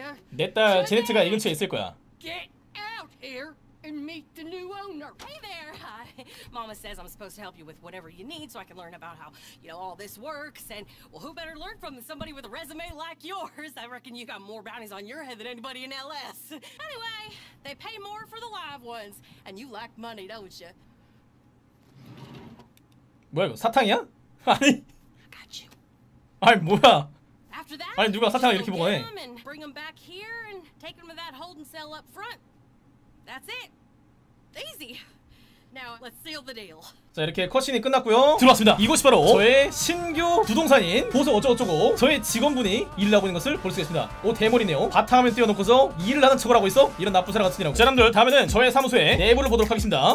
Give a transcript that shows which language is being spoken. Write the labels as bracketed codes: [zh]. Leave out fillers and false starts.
[ko] 내 딸 제네트가 이 근처에 있을 거야. [en] Get out here and meet the new owner. Hey there. Hi. Mama says I'm supposed to help you with whatever you need so I can learn about how, you know, all this works and well, who better learn from than somebody with a resume like yours? I reckon you got more bounties on your head than anybody in LS. Anyway, they pay more for the live ones and you like money, don't you? [ko] 뭐야, 이거 사탕이야? 아니. [en] I got you. [ko] 아니 뭐야? [en] After that, [ko] 아니 누가 사탕을 이렇게 보고 해? [en] Bring them back here and take them to that holding cell up front. That's it. Easy. Now let's seal the deal. [ko] 자, 이렇게 컷신이 끝났고요. 들어왔습니다. 이곳이 바로 저의 신규 부동산인 보석 어쩌고저쩌고 저의 직원분이 일을 하고 있는 것을 볼 수 있습니다. 오, 대머리네요. 바탕화면 띄워놓고서 일을 하는 척을 하고 있어? 이런 나쁜 사람 같으니라고. 자, 여러분들 다음에는 저의 사무소의 내부를 보도록 하겠습니다.